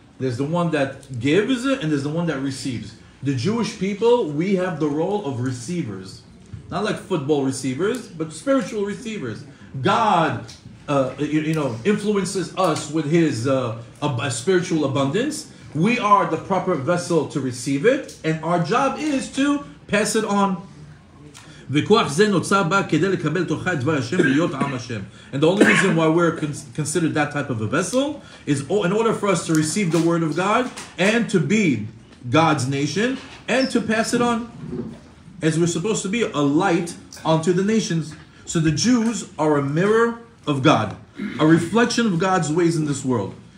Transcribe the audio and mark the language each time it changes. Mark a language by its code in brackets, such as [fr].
[en] There's the one that gives and there's the one that receives. The Jewish people, we have the role of receivers, not like football receivers, but spiritual receivers. God, influences us with his spiritual abundance. We are the proper vessel to receive it, and our job is to pass it on. [he] וכוח זה נוצר בה כדי לקבל תוכה דבר השם ולהיות עם השם. [en] And the only reason why we're considered that type of a vessel is in order for us to receive the word of God and to be God's nation and to pass it on as we're supposed to be a light onto the nations. So the Jews are a mirror of God, a reflection of God's ways in this world.